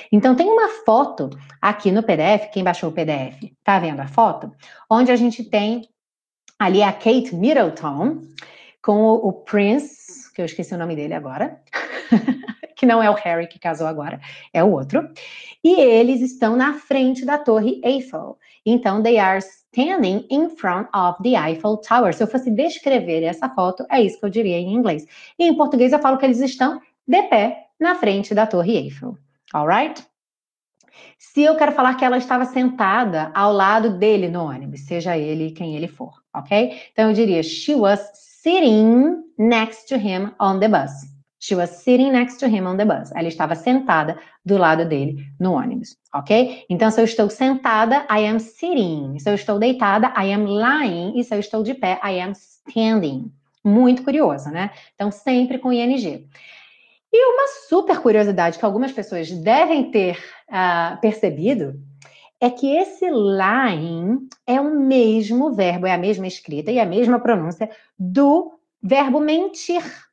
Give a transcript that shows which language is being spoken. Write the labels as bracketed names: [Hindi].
[Portuguese] Então, tem uma foto aqui no PDF, quem baixou o PDF, tá vendo a foto? Onde a gente tem ali a Kate Middleton com o Prince, que eu esqueci o nome dele agora, que não é o Harry que casou agora, é o outro, e eles estão na frente da Torre Eiffel. Então, [English] they are standing in front of the Eiffel Tower. [Portuguese] Se eu fosse descrever essa foto, é isso que eu diria em inglês. E em português eu falo que eles estão de pé na frente da Torre Eiffel. [English] All right? [Portuguese] Se eu quero falar que ela estava sentada ao lado dele no ônibus, seja ele quem ele for, ok? Então eu diria [English] she was sitting next to him on the bus. She was sitting next to him on the bus. [Portuguese] Ela estava sentada do lado dele no ônibus, ok? Então, se eu estou sentada, [English] I am sitting. [Portuguese] Se eu estou deitada, [English] I am lying. [Portuguese] E se eu estou de pé, [English] I am standing. [Portuguese] Muito curioso, né? Então, sempre com ING. E uma super curiosidade que algumas pessoas devem ter percebido é que esse lying é o mesmo verbo, é a mesma escrita e a mesma pronúncia do verbo mentir.